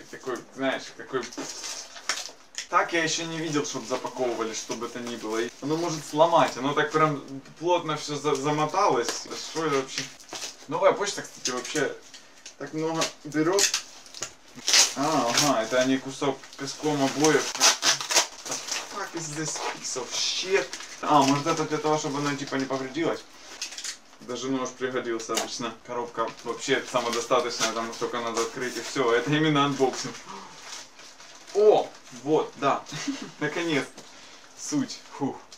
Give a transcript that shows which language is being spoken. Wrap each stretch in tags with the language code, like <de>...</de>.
<ru>Такой, знаешь, такой... Так я еще не видел, чтобы запаковывали, чтобы это ни было. И оно может сломать, оно так прям плотно все замоталось. Что это вообще? Новая почта, кстати, вообще так много берет. А, ага, это они кусок песком обоев.</ru> <en>Fuck is this piece of shit?</en> <ru>А, может это для того, чтобы оно типа не повредилось? Даже нож пригодился обычно. Коробка вообще самодостаточная, там только надо открыть и все. Это именно анбоксинг. О! Вот, да. Наконец. Суть. Фух.</ru>